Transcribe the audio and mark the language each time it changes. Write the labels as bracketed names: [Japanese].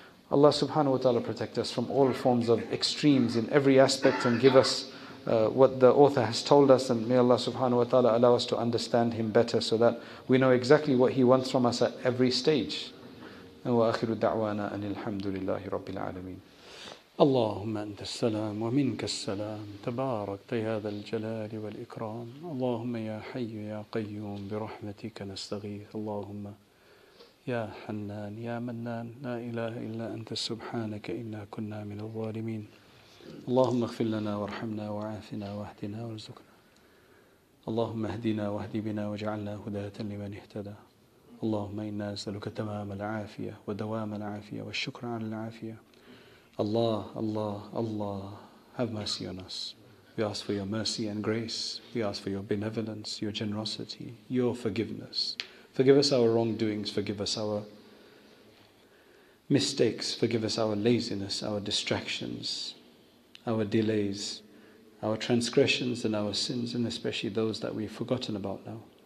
[English] Allah subhanahu wa ta'ala protect us from all forms of extremes in every aspect, and give us what the author has told us, and may Allah subhanahu wa ta'ala allow us to understand Him better so that we know exactly what He wants from us at every stage. [Arabic] And wa akhiru da'wana anil alhamdulillahi rabbil alameen. اللهم أنت السلام ومنك السلام تباركت يا ذا الجلال والإكرام اللهم يا حي يا قيوم برحمتك نستغيث اللهم يا حنان يا منان لا إله إلا أنت سبحانك إنا كنا من الظالمين اللهم اغفر لنا وارحمنا وعافنا واهدنا وارزقنا اللهم اهدنا واهد بنا واجعلنا هداة لمن اهتدى. اللهم إنا نسألك تمام العافية ودوام العافية والشكر على العافية. [English] Allah, Allah, Allah, have mercy on us. We ask for your mercy and grace. We ask for your benevolence, your generosity, your forgiveness. Forgive us our wrongdoings, forgive us our mistakes, forgive us our laziness, our distractions, our delays, our transgressions and our sins, and especially those that we've forgotten about now.